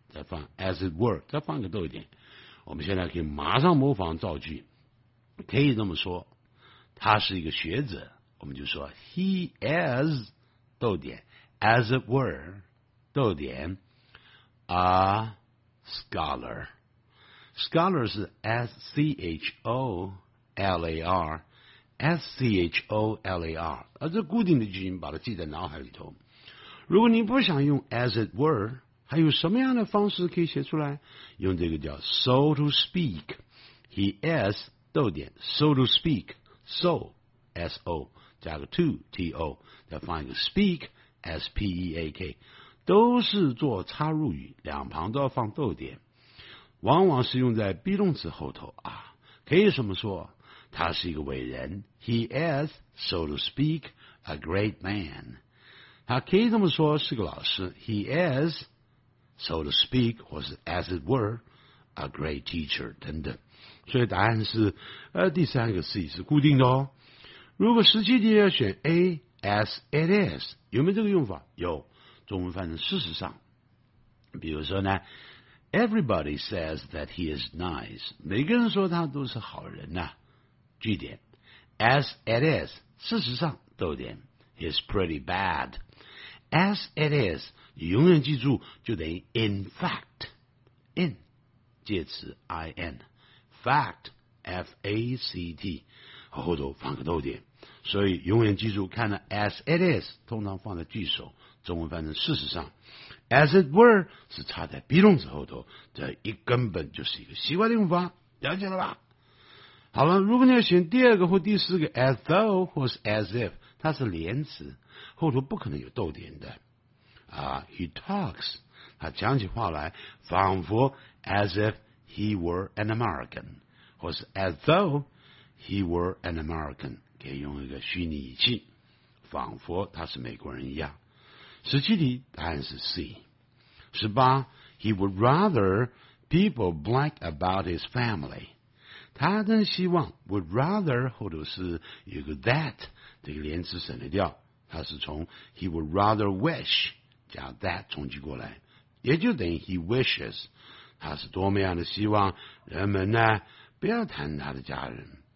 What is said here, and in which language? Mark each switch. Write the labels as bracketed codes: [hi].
[zh] 再放 as it were， 再放个逗点，我们现在可以马上模仿造句，可以这么说，他是一个学者，我们就说 [en] he is [zh] 逗点 [en] as it were [zh] 逗点 [en] a scholar， [zh] scholar 是 s c h o l a r， s c h o l a r， 而这固定的句型把它记在脑海里头。如果你不想用 as it were，还有什么样的方式可以写出来？用这个叫 [en] so to speak， [zh] he is 逗点 so to speak， so s o 加个 to t o， 再放一个 speak s p e a k， 都是做插入语，两旁都要放逗点，往往是用在 be 动词后头啊。可以这么说，他是一个伟人 ， [en] he is so to speak a great man。 [zh] 他可以这么说，是个老师 ， [en] he is。 So to speak [zh] 或是 [en] as it were a great teacher [zh] 等等，所以答案是第三个 C 是固定的哦。如果实际题要选 A [en] as it is， [zh] 有没有这个用法？有，中文翻成事实上，比如说呢 [en] Everybody says that he is nice. [zh] 每个人说他都是好人呐、啊。句点 ， [en] as it is， [zh] 事实上，逗点 ， [en] he's pretty bad。 As it is， [zh] 你永远记住就等于 [en] in fact， [zh] in 介词 in fact f a c t， 后头放个逗点，所以永远记住看了 as it is 通常放在句首，中文翻成事实上。 [en] As it were [zh] 是插在 be 动词后头，这一根本就是一个习惯的用法，了解了吧？好了，如果你要选第二个或第四个 [en] as though [zh] 或是 [en] as if， [zh] 它是连词，后头不可能有逗点的啊。 [en] He talks， [zh] 他讲起话来仿佛 [en] as if he were an American， [zh] 或是 [en] as though he were an American， [zh] 可以用一个虚拟语气，仿佛他是美国人一样。十七题答案是 C。十八 [en] ，He would rather people blank about his family。 [zh] 他真希望 [en] would rather [zh] 后头是有个 that 这个连词省略掉，他是从 [en] he would rather wish [zh] 加 that 冲击过来，也就等于 [en] he wishes。 [zh] 他是多么样的希望人们呢不要谈他的家人。